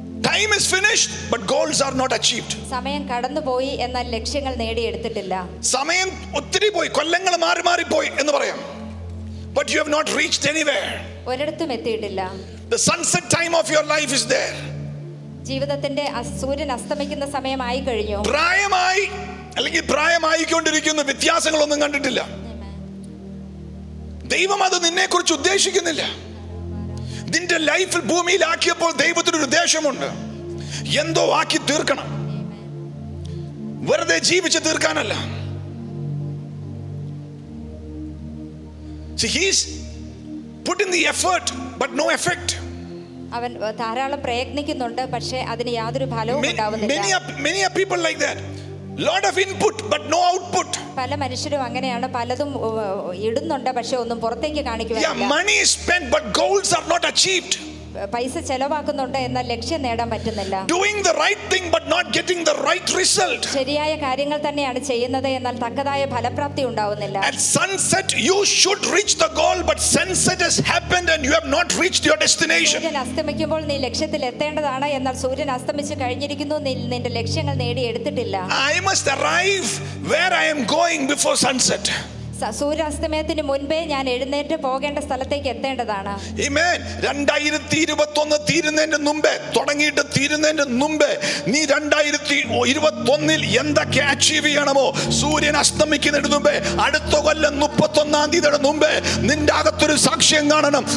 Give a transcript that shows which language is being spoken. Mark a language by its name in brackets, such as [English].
[English] Time is finished but goals are not achieved. [Malayalam] സമയം കടന്നു പോയി എന്നാൽ ലക്ഷ്യങ്ങൾ നേടിയെടുത്തിട്ടില്ല. സമയം ഒത്തിരി പോയി, കൊല്ലങ്ങൾ മാറി പോയി എന്ന് പറയാം. [English] But you have not reached anywhere. [Malayalam] ഒരിടത്തും എത്തിയിട്ടില്ല. [English] The sunset time of your life is there. [Malayalam] ജീവിതത്തിന്റെ സൂര്യൻ അസ്തമിക്കുന്ന സമയമായി കഴിഞ്ഞു. പ്രായമായി അല്ലെങ്കിൽ പ്രായമായിക്കൊണ്ടിരിക്കുന്ന വ്യത്യാസങ്ങളൊന്നും കണ്ടിട്ടില്ല. ദൈവം അത് നിന്നെക്കുറിച്ച് ഉദ്ദേശിക്കുന്നില്ല. നിന്റെ ലൈഫിൽ ഭൂമിയിലാക്കിയപ്പോൾ ദൈവത്തിന് ഒരു ഉദ്ദേശമുണ്ട്. എന്തോ ആക്കി തീർക്കണം, വെറുതെ ജീവിച്ച് തീർക്കാനല്ല. [English] See, he's putting the effort but no effect. [Malayalam] അവൻ ധാരാളം പ്രയത്നിക്കുന്നുണ്ട്, പക്ഷേ അതിന് യാതൊരു ഫലവും ഉണ്ടാവുന്നില്ല. [English] Many people like that. Lot of input but no output. [Malayalam] പല മനുഷ്യരും അങ്ങനെയാണ്, പലതും ഇടുന്നുണ്ട്, പക്ഷേ ഒന്നും പുറത്തേക്ക് കാണിക്കുവാനില്ല. [English] Yeah, money is spent but goals are not achieved. [Malayalam] പൈസ ചെലവാക്കുന്നുണ്ട്, എന്നാൽ ലക്ഷ്യം നേടാൻ പറ്റുന്നില്ല. [English] Doing the right thing but not getting the right result. [Malayalam] ശരിയായ കാര്യങ്ങൾ തന്നെയാണ് ചെയ്യുന്നത്, എന്നാൽ തക്കതായ ഫലപ്രാപ്തി ഉണ്ടാവുന്നില്ല. [English] At sunset you should reach the goal but sunset has happened and you have not reached your destination. [Malayalam] സൂര്യൻ അസ്തമിക്കുമ്പോൾ നീ ലക്ഷ്യത്തിൽ എത്തേണ്ടതാണ്, എന്നാൽ സൂര്യൻ അസ്തമിച്ചു കഴിഞ്ഞിരിക്കുന്നു, നിന്റെ ലക്ഷ്യങ്ങൾ നേടിയെടുത്തിട്ടില്ല. [English] I must arrive where I am going before sunset. [Malayalam] സൂര്യാസ്തമയത്തിന് മുൻപേ ഞാൻ എഴുന്നേറ്റ് പോകേണ്ട സ്ഥലത്തേക്ക് എത്തേണ്ടതാണ്. 2021 തീരുന്നതിന്റെ മുമ്പേ, തുടങ്ങിയിട്ട് തീരുന്നതിന്റെ മുമ്പേ നീ 2021 എന്തൊക്കെ അച്ചീവ് ചെയ്യണമോ, സൂര്യൻ അസ്തമിക്കുന്നതിന് മുമ്പേ, അടുത്ത കൊല്ലം 31 മുമ്പേ നിന്റെ അകത്തൊരു സാക്ഷ്യം കാണണം.